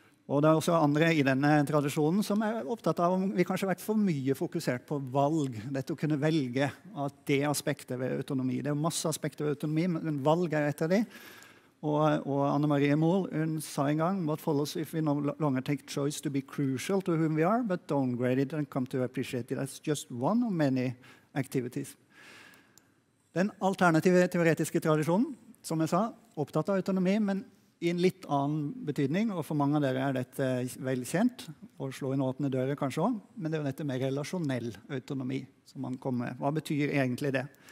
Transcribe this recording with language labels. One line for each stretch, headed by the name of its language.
Norwegian: Og det også andre i denne tradisjonen som opptatt av om vi kanskje har vært for mye fokusert på valg, dette å kunne velge at det aspektet ved autonomi. Det masse aspekter ved autonomi, men valg et av de. Og Anne-Marie Mohl, hun sa en gang,
English: what follows if we no longer take choice to be crucial to whom we are, but downgrade it and come to appreciate it as just one of many activities.
Norwegian: Den alternative teoretiske tradisjonen, som jeg sa, opptatt av autonomi, men i en litt annen betydning, og for mange av dere er dette velkjent, å slå inn åpne dører kanskje også, men det er jo dette med relasjonell autonomi som man kommer med. Hva betyr egentlig det?